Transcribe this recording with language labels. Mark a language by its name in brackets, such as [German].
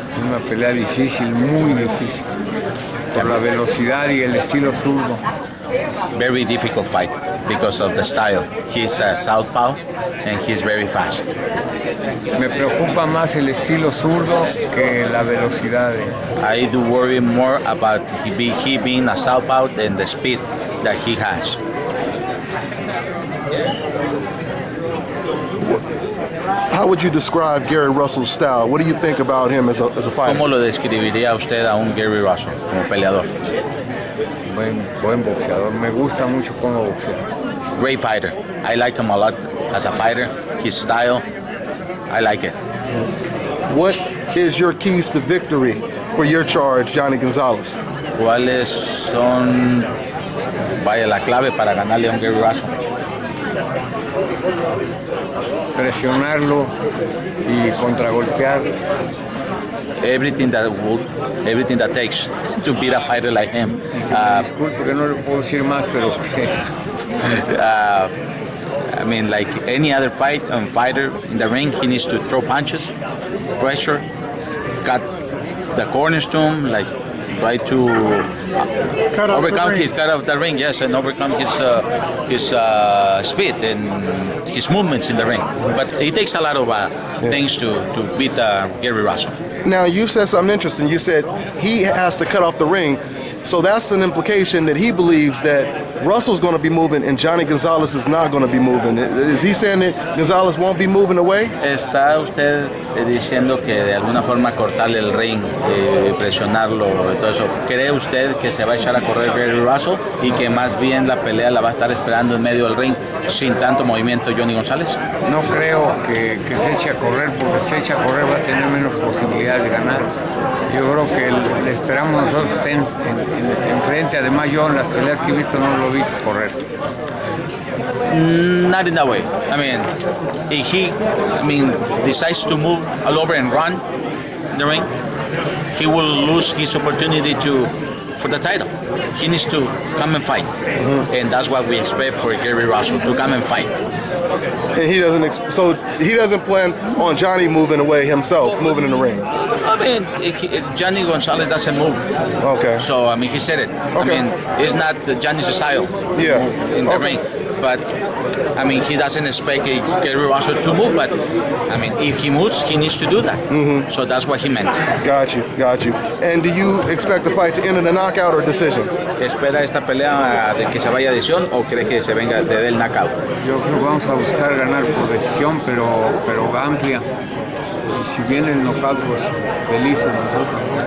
[Spanish] Una pelea difícil, muy difícil. Por la velocidad y el estilo zurdo. [English] Very difficult fight because of the style. He's a southpaw and he's very fast. [Spanish] Me preocupa más el estilo zurdo que la velocidad. [English] I do worry more about he being a southpaw than the speed that he has. How would you describe Gary Russell's style? What do you think about him as a fighter? [Spanish] ¿Cómo lo describiría usted a un Gary Russell como peleador? Buen boxeador. Me gusta mucho cómo boxea. [English] Great fighter. I like him a lot as a fighter. His style, I like it. What is your keys to victory for your charge, Johnny Gonzalez? [Spanish] ¿Cuáles son la clave para ganarle a un Gary Russell? Presionarlo y contragolpear. [English] Everything that takes to beat a fighter like him. [Spanish] Disculpe que no le puedo decir más, pero [English] like any other fight and fighter in the ring, he needs to throw punches, pressure, cut the cornerstone, like try to overcome his speed and his movements in the ring. But it takes a lot of things to beat Gary Russell. Now, you said something interesting. You said he has to cut off the ring. So that's an implication that he believes that Russell's going to be moving and Johnny Gonzalez is not going to be moving. Is he saying that Gonzalez won't be moving away? [Spanish] ¿Está usted diciendo que de alguna forma cortarle el ring, presionarlo, todo eso? ¿Cree usted que se va a echar a correr Gary Russell y que más bien la pelea la va a estar esperando en medio del ring sin tanto movimiento Johnny Gonzalez? No creo que se eche a correr, porque se echa a correr va a tener menos posibilidades de ganar. Yo creo que le esperamos nosotros enfrente. Además, yo en las peleas que he visto no lo he visto correr. [English] Not in that way. I mean, if he decides to move all over and run the ring, he will lose his opportunity for the title. He needs to come and fight. Mm-hmm. And that's what we expect for Gary Russell, to come and fight. And he doesn't plan on Johnny moving away himself, moving in the ring. I mean, Johnny Gonzalez doesn't move. Okay. So, I mean, he said it. Okay. I mean, it's not Johnny's style. Yeah. In the ring. But, I mean, he doesn't expect Gary Russell to move. But, I mean, if he moves, he needs to do that. Mm-hmm. So that's what he meant. Got you. And do you expect the fight to end in a knockout or decision? [Spanish] ¿Espera esta pelea de que se vaya a decisión o cree que se venga de el knockout? Yo creo que vamos a buscar ganar por decisión, pero amplia. Y si viene el knockout, pues felices nosotros.